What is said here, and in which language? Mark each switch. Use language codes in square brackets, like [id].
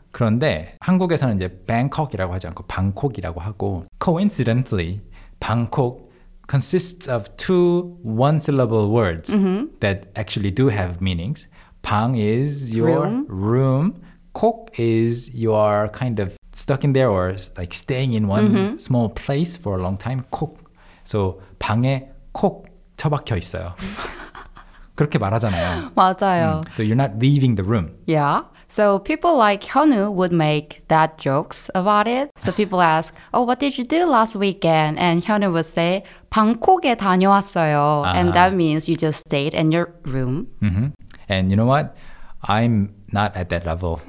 [ko] 그런데 한국에서는 이제 Bangkok이라고 하지 않고 Bangkok이라고 하고 [en] coincidentally, Bangkok consists of two one-syllable words mm-hmm. that actually do have meanings. 방 is your room. 콕 is you are kind of stuck in there or like staying in one mm-hmm. small place for a long time. 콕. [ko] So 방에 콕 처박혀 있어요. 그렇게 말하잖아요. 맞아요. [en] So you're not leaving the room. Yeah. So people like Hyunwoo would make that jokes about it. So people ask, oh, what did you do last weekend? And Hyunwoo would say, [ko] 방콕에 다녀왔어요. [en] Uh-huh. And that means you just stayed in your room. Mm-hmm. And you know what? I'm not at that level.